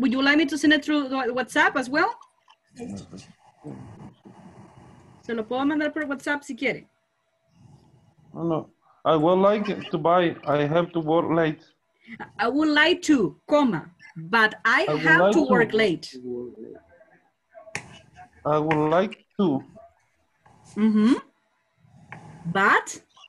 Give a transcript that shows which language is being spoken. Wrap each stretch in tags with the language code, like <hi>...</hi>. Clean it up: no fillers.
<en>Would you like me to send it through WhatsApp as well?</en> <es>Se lo puedo mandar por WhatsApp si quiere.</es> <en>No, I would like to buy. I have to work late. I would like to, comma, but I have to work late. I would like to. Mm-hmm. But?</en>